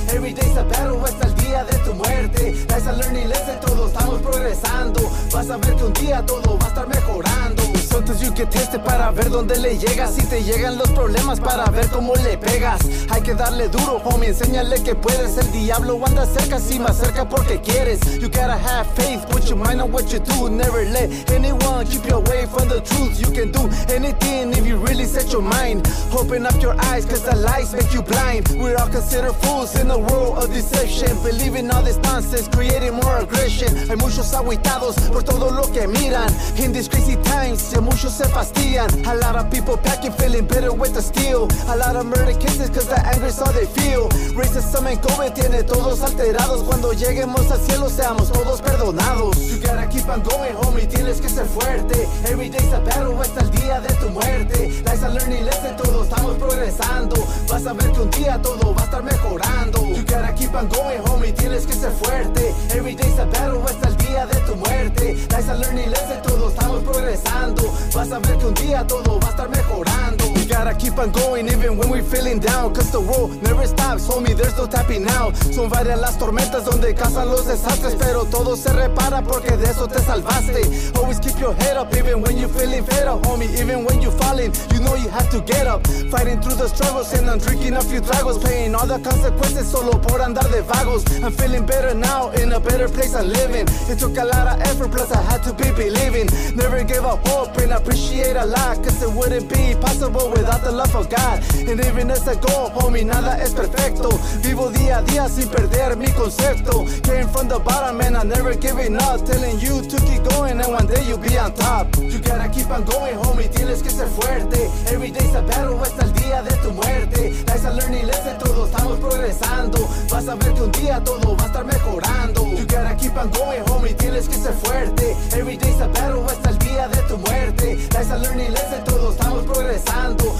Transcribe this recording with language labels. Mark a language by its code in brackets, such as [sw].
[en] Every day's a battle, [es] hasta el día de tu muerte. [en] Life's a learning lesson, [es] todos estamos progresando. Vas a ver que un día todo va a estar mejorando. [en] Sometimes you get tested [es] para ver dónde le llegas. Si te llegan los problemas para ver cómo le pegas. Hay que darle duro, homie, enséñale que puedes. El diablo anda cerca, si más cerca porque quieres. [en] You gotta have faith, put your mind on what you do. Never let anyone keep you away from the truth. You can do anything if you really set your mind. Open up your eyes, cause the lies make you blind. We're all considered fools in a world of deception. Believing all this nonsense, creating more aggression. [es] Hay muchos aguitados por todo lo que miran. [en] In these crazy times, [es] ya muchos se fastidian. [en] A lot of people packing, feeling bitter with the steel. A lot of murder cases, cause the anger's all they feel. [es] Racism and COVID tiene todos alterados. Cuando lleguemos al cielo, seamos todos perdonados. [en] You gotta keep on going, homie, [es] tienes que ser fuerte. [en] Every day's a battle, [es] hasta el día de tu muerte. [en] Life's a learning lesson, [es] todos estamos progresando. Vas a ver que un día todo va a estar mejorando. [en] You gotta keep on going, homie, [es] tienes que ser fuerte. [en] Every day's a battle, [es] hasta el día de tu muerte. [en] Life's a learning lesson, [es] todos estamos progresando. Vas a ver que un día todo va a estar mejorando. [en] We gotta keep on going even when we're feeling down. Cause the world never stops, homie, there's no tapping out. [es] Son varias las tormentas donde cazan los desastres. Pero todo se repara porque de eso te salvaste. [en] Always keep your head up even when you're feeling fed up, homie. Even when you're falling, you know you have to get up. Fighting through the struggles and I'm drinking a few tragos. Paying all the consequences [es] solo por andar de vagos. [en] I'm feeling better now, in a better place I'm living. It took a lot of effort plus I had to be believing. Never gave up hope and appreciate a lot. Cause it wouldn't be possible without the love of God. And even as I go, homie, [es] nada es perfecto. Vivo día a día sin perder mi concepto. [en] Came from the bottom and I'm never giving up. Telling you to keep going and one day you'll be on top. You gotta keep on going, homie, [es] tienes que ser fuerte. [en] Every day's a battle, [es] hasta el día de tu muerte. [en] Life's a learning lesson, [es] todos estamos progresando. Vas a ver que un día todo va a estar mejorando. [en] You gotta keep on going, homie, [es] tienes que ser fuerte. [en] Every day's a battle, [es] hasta el día de tu muerte. [en] Life's a learning lesson, [es] todos estamos progresando.